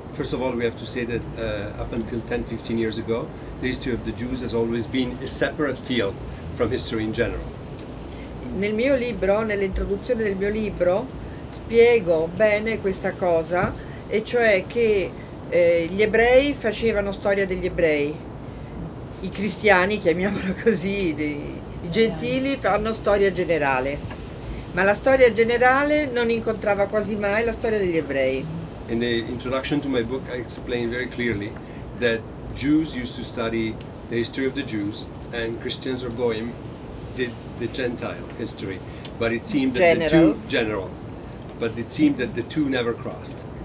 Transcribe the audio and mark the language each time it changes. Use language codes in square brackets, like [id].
[en] First of all, we have to say that up until 10-15 years ago, the history of the Jews has always been a separate field from history in general. [it] Nel mio libro, nell'introduzione del mio libro, spiego bene questa cosa, e cioè che gli ebrei facevano storia degli ebrei, i cristiani, chiamiamolo così, i gentili fanno storia generale, ma la storia generale non incontrava quasi mai la storia degli ebrei. [en] In the introduction to my book, I explain very clearly that Jews used to study the history of the Jews, and Christians or Goyim did the Gentile history. But it seemed that general. The two general. But it seemed that the two never crossed.